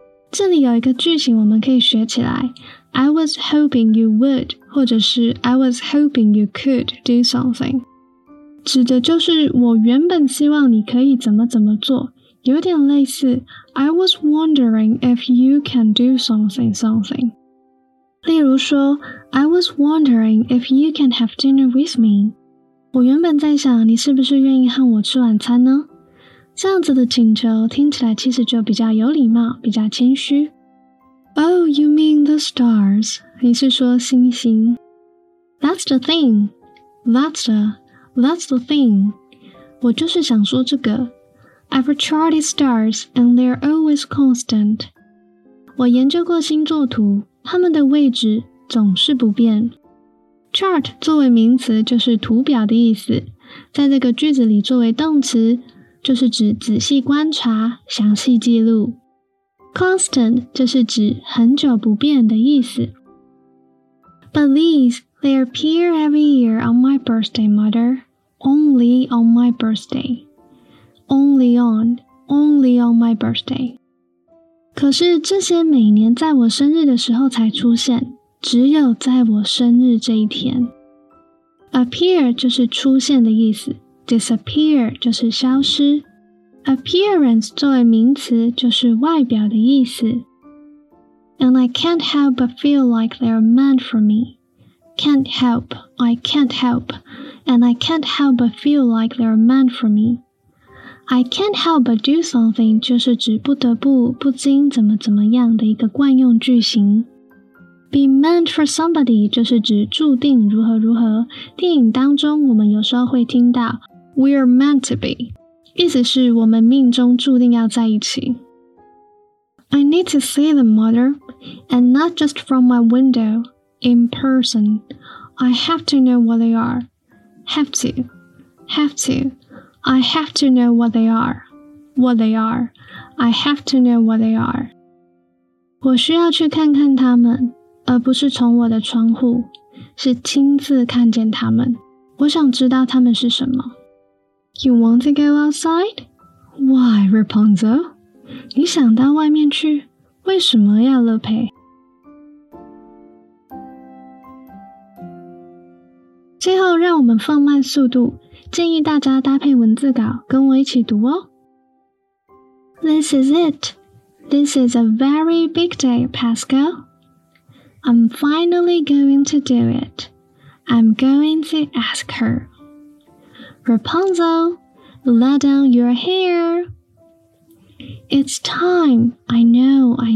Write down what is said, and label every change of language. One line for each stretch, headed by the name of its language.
Chinese: 这里有一个句型我们可以学起来。
English: I was hoping you would,
Chinese: 或者是
English: I was hoping you could do something.
Chinese: 指的就是我原本希望你可以怎么怎么做，有点类似
English: I was wondering if you can do something.
Chinese: 例如说
English: I was wondering if you can have dinner with me.
Chinese: 我原本在想你是不是愿意和我吃晚餐呢？这样子的请求听起来其实就比较有礼貌，比较谦虚。
English: Oh, you mean the stars.
Chinese: 你是说星星。
English: That's the thing.
Chinese: 我就是想说这个。
English: I've charted stars and they're always constant.
Chinese: 我研究过星座图，它们的位置总是不变。Chart 作为名词就是图表的意思，在这个句子里作为动词，就是指仔细观察，详细记录。 Constant 就是指很久不变的意思。
English: But these, they appear every year on my birthday, mother. Only on my birthday. Only on my birthday.
Chinese: 可是这些每年在我生日的时候才出现，只有在我生日这一天。 Appear 就是出现的意思， disappear 就是消失。 Appearance 作为名词就是外表的意思。
English: And I can't help but feel like they're meant for me. And I can't help but feel like they're meant for me. I can't help but do something
Chinese: 就是指不得不、不禁怎么怎么样的一个惯用句型。
English: Be meant for somebody
Chinese: 就是指注定如何如何。电影当中我们有时候会听到
English: We're meant to be，
Chinese: 意思是我们命中注定要在一起。
English: I need to see them, mother, and not just from my window, in person. I have to know what they are. I have to know what they are. I have to know what they are.
Chinese: 我需要去看看他们，而不是从我的窗户，是亲自看见他们。我想知道他们是什么。
English: You want to go outside? Why, Rapunzel?
Chinese: 你想到外面去？为什么呀，乐佩？最后，让我们放慢速度，建议大家搭配文字稿跟我一起读哦。
English: This is it. This is a very big day, Pascal. I'm finally going to do it. I'm going to ask her. Rapunzel, let down your hair. It's time, I know.